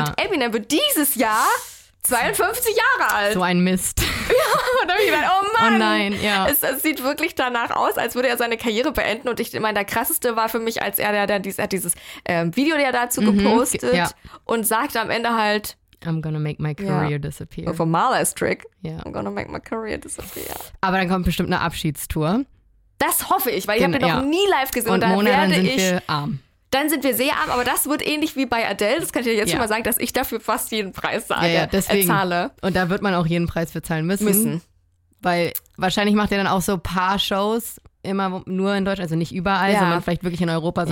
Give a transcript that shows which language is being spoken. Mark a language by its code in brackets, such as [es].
[de] Und Eminem wird dieses Jahr 52 Jahre alt. So ein Mist. Ja, und da hab ich gedacht, oh Mann. Oh nein, ja. Es sieht wirklich danach aus, als würde er seine Karriere beenden. Und ich meine, der krasseste war für mich, als er dann dieses Video ja dazu gepostet und sagte am Ende halt, [en] I'm gonna make my career disappear. Vom Marla's Trick. Yeah. I'm gonna make my career disappear. [de] Aber dann kommt bestimmt eine Abschiedstour. Das hoffe ich, weil ich habe den noch nie live gesehen. Und Mona, dann sind wir arm. Dann sind wir sehr arm, aber das wird ähnlich wie bei Adele. Das kann ich dir jetzt schon mal sagen, dass ich dafür fast jeden Preis zahle. Und da wird man auch jeden Preis für zahlen müssen. Müssen. Weil wahrscheinlich macht er dann auch so ein paar Shows immer nur in Deutschland, also nicht überall, sondern vielleicht wirklich in Europa. So